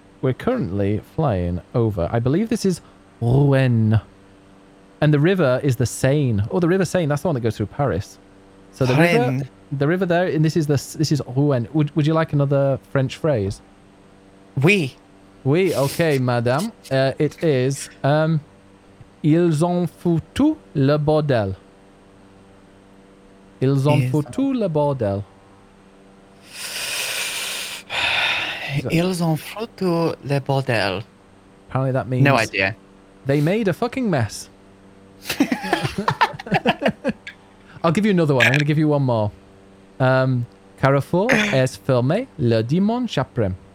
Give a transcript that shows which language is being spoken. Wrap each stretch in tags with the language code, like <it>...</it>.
<en>We're currently flying over. I believe this is Rouen. And the river is the Seine. Oh, the river Seine. That's the one that goes through Paris. So the Rouen. The river there, and this is Rouen. Would you like another French phrase?</en> <fr>Oui. Oui, okay, madame.</fr> <en>It is,</en> <fr>ils ont foutu le bordel. Ils ont foutu le bordel. Ils ont foutu le bordel.</fr> <en>Apparently that means... No idea. They made a fucking mess. I'll give you another one. I'm going to give you one more.</en> <fr>Carrefour est fermé le dimanche après.</fr>